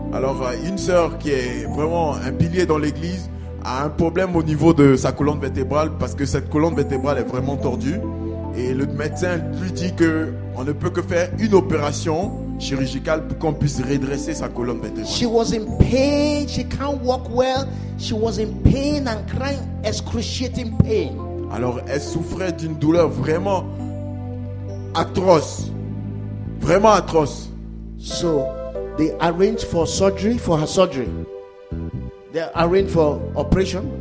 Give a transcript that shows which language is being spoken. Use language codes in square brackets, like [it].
[fr] Alors, une sœur qui est vraiment un pilier dans l'église a un problème au niveau de sa colonne vertébrale parce que cette colonne vertébrale est vraiment tordue. Et le médecin lui dit qu'on ne peut que faire une opération chirurgicale pour qu'on puisse redresser sa colonne vertébrale. [en] She was in pain, she can't walk well, she was in pain and crying, excruciating pain. [fr] Alors, elle souffrait d'une douleur vraiment atroce. Vraiment atroce. [en] So, they arranged for surgery, for her surgery. They arranged for operation.